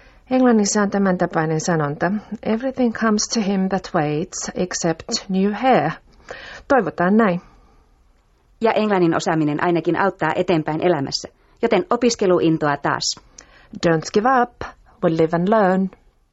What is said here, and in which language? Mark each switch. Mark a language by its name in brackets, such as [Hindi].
[Finnish] Englannissa on tämän tapainen sanonta. [English] Everything comes to him that waits, except new hair. [Finnish] Toivotaan näin. Ja englannin osaaminen ainakin auttaa eteenpäin elämässä. Joten opiskeluintoa taas. [English] Don't give up. We'll live and learn.